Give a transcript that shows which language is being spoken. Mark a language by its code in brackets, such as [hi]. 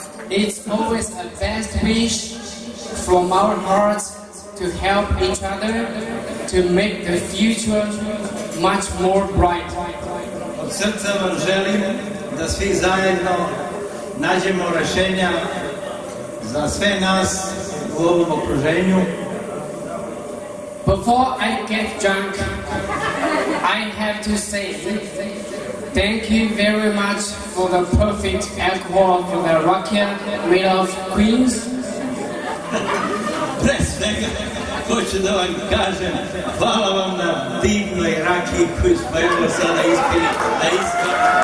[en] It's always a best wish from our hearts to help each other to make the future much more bright. [sr] Od srca vam želim da svi zajedno nađemo rešenja za sve nas u ovom okruženju. [en] Before I get drunk, I have to say thank you very much for the perfect alcohol for the rakia made of Queens. [sr] Pre svega, hoću da vam kažem, hvala vam na divnoj rakiji koju smo evo sada ispili na iskoro.